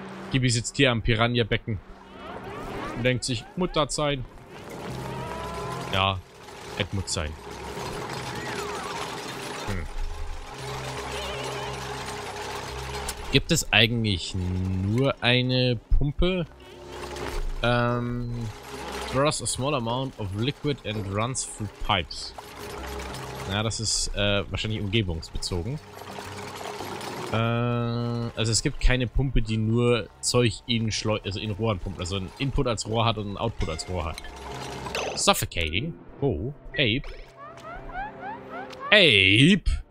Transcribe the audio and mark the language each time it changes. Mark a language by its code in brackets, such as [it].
[de] Gibi sitzt hier am Piranha-Becken. Und denkt sich, Mutter sein. Ja, Edmund sein. Gibt es eigentlich nur eine Pumpe? [en] Draws a small amount of liquid and runs through pipes. [de] Ja, das ist wahrscheinlich umgebungsbezogen. Also es gibt keine Pumpe, die nur Zeug in Rohren pumpt. Also ein Input als Rohr hat und ein Output als Rohr hat. [en] Suffocating. Oh, Ape. Ape!